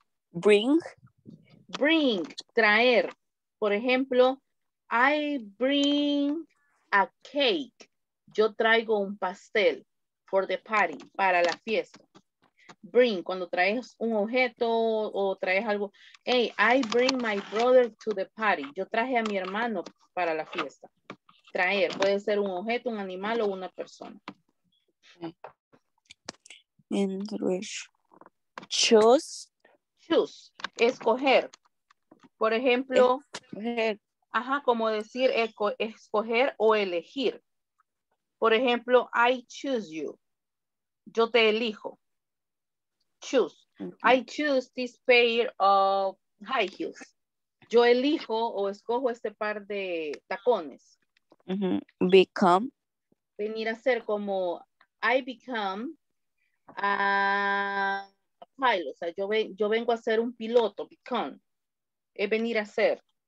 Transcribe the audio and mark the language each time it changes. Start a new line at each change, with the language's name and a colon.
English: Bring,
Spanish: traer. Por ejemplo,
English: I bring a cake.
Spanish: Yo traigo un pastel
English: for the party,
Spanish: para la fiesta. Bring, cuando traes un objeto o traes algo.
English: Hey, I bring my brother to the party.
Spanish: Yo traje a mi hermano para la fiesta. Traer, puede ser un objeto, un animal o una persona.
English: And wish. Choose.
Spanish: Escoger. Por ejemplo. Escoger o elegir. Por ejemplo,
English: I choose you.
Spanish: Yo te elijo. Choose.
English: Okay. I choose this pair of high heels.
Spanish: Yo elijo o escojo este par de tacones.
English: Mm-hmm. Become.
Spanish: Venir a ser como
English: I become a pilot.
Spanish: O sea, yo vengo a ser un piloto. Become. Es venir a ser.